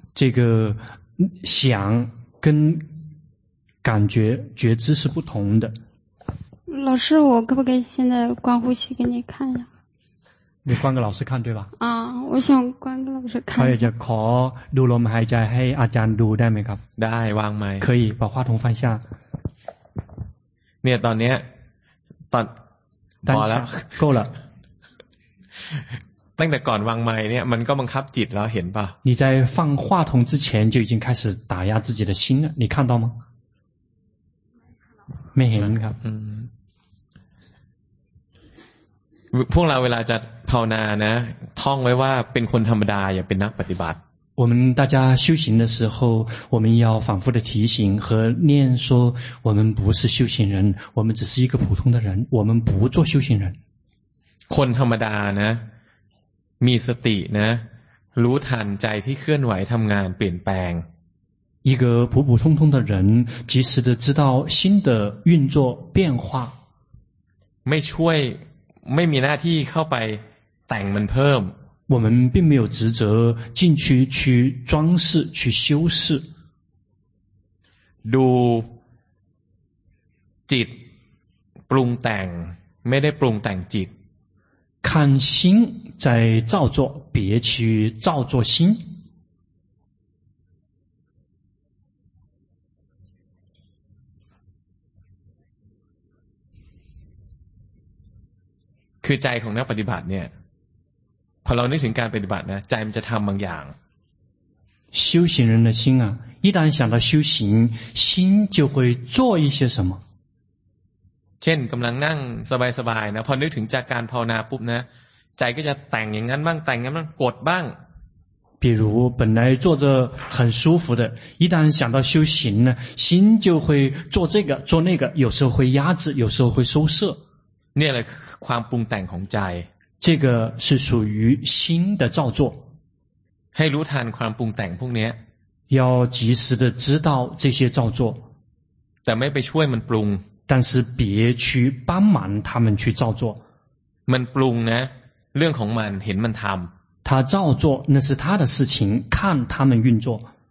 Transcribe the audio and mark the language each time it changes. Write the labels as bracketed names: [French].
[Chinese] 这个想跟感觉觉知是不同的老师我可不可以现在观呼吸给你看一下你观给老师看对吧啊我想观给老师看 [Thai] เขาจะขอดูลมหายใจให้อาจารย์ดูได้ไหมครับ ได้วางไหม [Chinese] 可以把话筒放下 [Thai] เนี่ยตอนนี้ตอนพอแล้ว [Chinese] 够了 [Thai] ตั้งแต่ก่อนวางไหมเนี่ยมันก็บังคับจิตแล้วเห็นป่ะ [Chinese] 你在放话筒之前就已经开始打压自己的心了你看到吗没看到没 [Thai] เห็นครับ พวกเราเวลาจะภาวนานะท่องไว้ว่าเป็นคนธรรมดาอย่าเป็นนักปฏิบัติ [Chinese] 我们大家修行的时候我们要反复的提醒和念说我们不是修行人我们只是一个普通的人我们不做修行人 [Thai] คนธรรมดานะมีสตินะรู้ทันใจที่เคลื่อนไหวทำงานเปลี่ยนแปลง [Chinese] 一个普普通通的人及时的知道心的运作变化 [Thai] ไม่ช่วยไม่มีหน้าที่เข้าไปแต่งมันเพิ่ม [Chinese] 我们并没有职责进去去装饰去修饰 [Thai] ดูจิตปรุงแต่งไม่ได้ปรุงแต่งจิต [Chinese] 看心在造作别去造作心 [Thai] คือใจของนักปฏิบัติเนี่ยพอเรานึกถึงการปฏิบัตินะใจมันจะทำบางอย่าง [Chinese] 修行人的心啊一旦想到修行，心就会做一些什么。 [Thai] เช่นกำลังนั่งสบายสบายนะพอนึกถึงจากการภาวนาปุ๊บนะใจก็จะแต่งอย่างนั้นบ้างแต่งอย่างนั้นกดบ้าง [Chinese] 比如本来坐着很舒服的一旦想到修行呢心就会做这个做那个有时候会压制有时候会收摄 [Thai] นี่แหละความปรุงแต่งของใจ [Chinese] 这个是属于心的造作 [Thai] ให้รู้ทันความปรุงแต่งพวกนี้ [Chinese] 要及时的知道这些造作 [Thai] แต่ไม่ไปช่วยมันปรุง [Chinese] 但是别去帮忙他们去造作 [Thai] มันปรุงนะเรื่องของมันเห็นมันทำ [Chinese] 他造作那是他的事情看他们运作